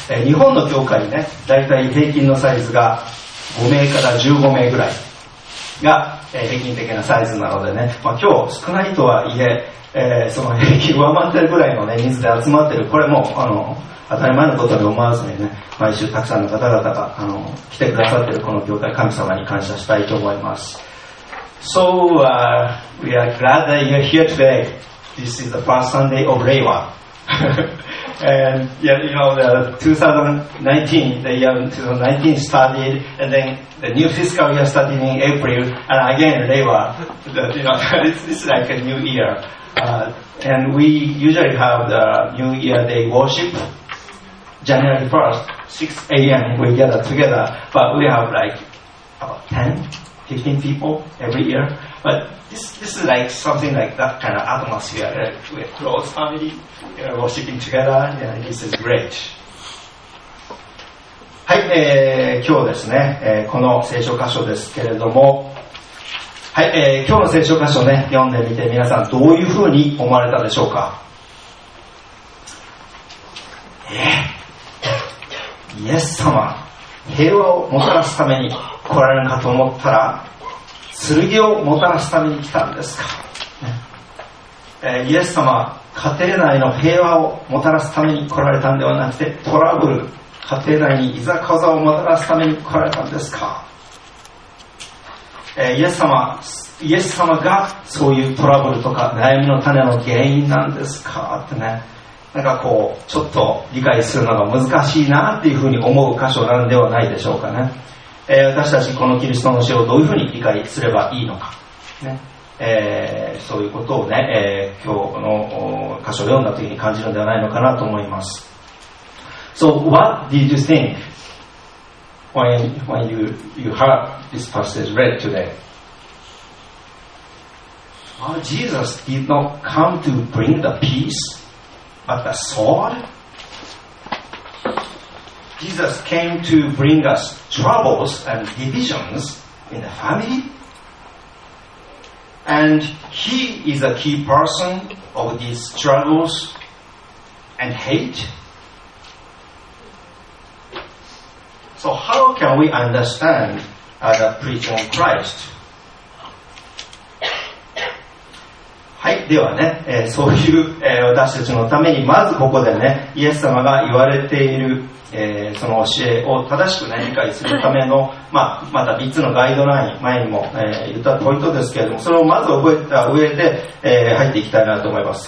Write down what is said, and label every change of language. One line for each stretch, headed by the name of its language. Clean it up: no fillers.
Japanese: 日本の教会ね、大体平均のサイズが5名から15名ぐらいが、平均的なサイズなのでね、まあ、今日少ないとはいえ、その平均上回ってるぐらいの、ね、人数で集まってる、これも、あの当たり前のことに思わずにね、毎週たくさんの方々があの来てくださっているこの教会、神様に感謝したいと思います。
English: So, we are glad that you're here today. This is the first Sunday of Reiwa. And yeah, you know, the 2019, the year 2019 started, and then the new fiscal year started in April, and again Reiwa, you know, it's like a new year. And we usually have the New Year Day worship. January 1st, 6 a.m. we gather together, but we have like about 10, 15 people every year. But this is like something like that kind of atmosphere. Like we're close family, you know, worshiping together, and yeah, this is great.
Japanese: はい、今日ですね、この聖書箇所ですけれども、はい、今日の聖書箇所ね、読んでみて皆さんどういうふうに思われたでしょうか。イエス様、平和をもたらすために来られるかと思ったら、剣をもたらすために来たんですか、ね、イエス様、家庭内の平和をもたらすために来られたんではなくて、トラブル、家庭内にいざこざをもたらすために来られたんですか、イエス様がそういうトラブルとか悩みの種の原因なんですかってね、なんかこうちょっと理解するのが難しいなっていうふうに思う箇所なんではないでしょうかね、私たちこのキリストの教えをどういうふうに理解すればいいのか、ね、そういうことをね、今日の箇所を読んだ時に感じるんではないのかなと思います。
English: So what did you think when you heard this passage read today? Well, Jesus did not come to bring the peaceBut the sword? Jesus came to bring us troubles and divisions in the family. And he is a key person of these struggles and hate. So how can we understand the preach on Christ?
Japanese: はい、ではね、そういう、私たちのためにまずここでね、イエス様が言われている、その教えを正しく、ね、理解するための、まあ、また3つのガイドライン、前にも、言ったポイントですけれども、それをまず覚えた上で、入っていきたいなと思います。